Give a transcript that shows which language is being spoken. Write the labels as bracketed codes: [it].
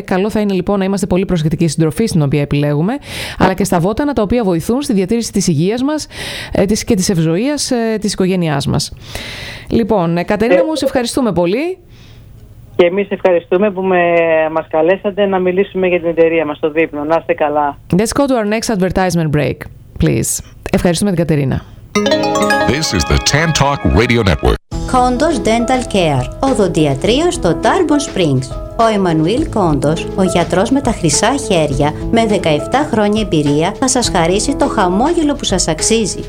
[el] Καλό θα είναι λοιπόν να είμαστε πολύ προσεκτικοί στην τροφή στην οποία επιλέγουμε, αλλά και στα βότανα τα οποία βοηθούν στη διατήρηση της υγείας μας και της ευζωίας της οικογένειάς μας. Λοιπόν, Κατερίνα μου, σε ευχαριστούμε πολύ. Και εμείς ευχαριστούμε που μας καλέσατε να μιλήσουμε για την εταιρεία μας, το Δείπνο. Να είστε καλά. [en] Let's go to our next advertisement break, please. [el] Ευχαριστούμε την Κατερίνα. [en] This is the Tantalk Radio Network. Kondos Dental Care. [el] Οδοντιατρίο στο Tarbon Springs. Ο Εμμανουήλ Κόντος, ο γιατρός με τα χρυσά χέρια, με 17 χρόνια εμπειρία, θα σας χαρίσει το χαμόγελο που σας αξίζει.